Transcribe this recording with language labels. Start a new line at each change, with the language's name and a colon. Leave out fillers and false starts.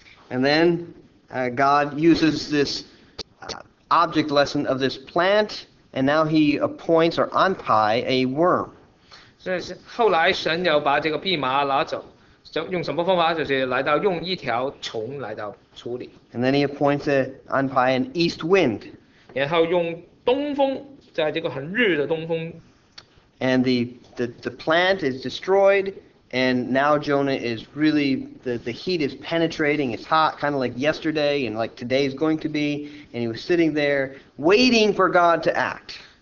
English: And then God uses this object lesson of this plant, and now he appoints or anpai a worm.
Chinese: 后来神又把这个蓖麻拿走，用什么方法？就是来到用一条虫来到处理。
English: And then he appoints anpai an east wind.
Chinese: 然后用东风，在这个很热的东风。
English: And the plant is destroyed, and now Jonah is really, the heat is penetrating, it's hot, kind of like yesterday, and like today is going to be, and he was sitting there waiting for God to act.